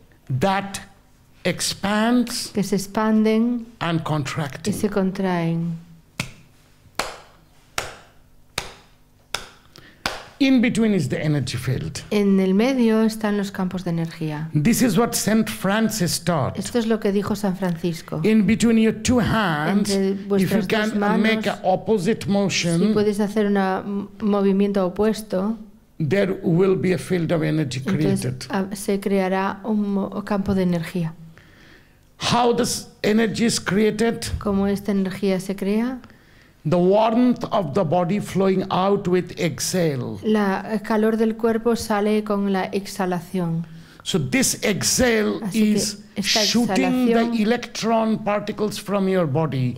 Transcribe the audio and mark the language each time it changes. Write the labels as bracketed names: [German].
[English] That expands, [Spanish] que se expanden, [English] and contracting, [Spanish] y se contraen. [English] In between is the energy field. [Spanish] En el medio están los campos de energía. [English] This is what Saint Francis taught. [Spanish] Esto es lo que dijo San Francisco. [English] In between your two hands, if you can [Spanish] manos, [English] make an opposite motion, [Spanish] si puedes hacer un movimiento opuesto, [English] there will be a field of energy created. [Spanish] Entonces, se creará un campo de energía. [English] How this energy is created? [Spanish] ¿Cómo esta energía se crea? [English] The warmth of the body flowing out with exhale. [Spanish] La calor del cuerpo sale con la exhalación. [English] So this exhale is shooting the electron particles from your body,